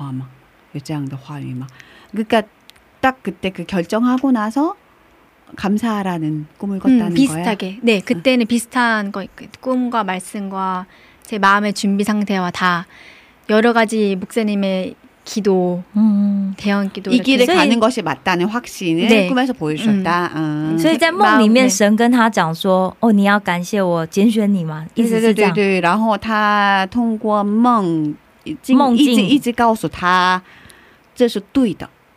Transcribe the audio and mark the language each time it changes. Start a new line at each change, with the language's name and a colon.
Chinese: 所以在梦里面的时候，也经常会有神跟他讲话。可是刚才你说你决定好了之后，梦见上帝跟你说你要感谢，我选择了你，有这句话吗？有这样的话语吗？
Korean: 그러니까 딱 그때 그 결정하고 나서 감사하라는 꿈을 꿨다는 비슷하게. 비슷하게. 네, 그때는 비슷한 거 꿈과 말씀과 제 마음의 준비 상태와 다 여러 가지 목사님의 기도, 대형 기도 이 길에 가는 것이 맞다는 확신을 네. 꿈에서 보여주셨다.
Chinese: 所以在梦里面神跟他讲说，哦，你要感谢我拣选你吗？意思是这样。对对对，然后他通过梦，梦境一直告诉他，这是对的。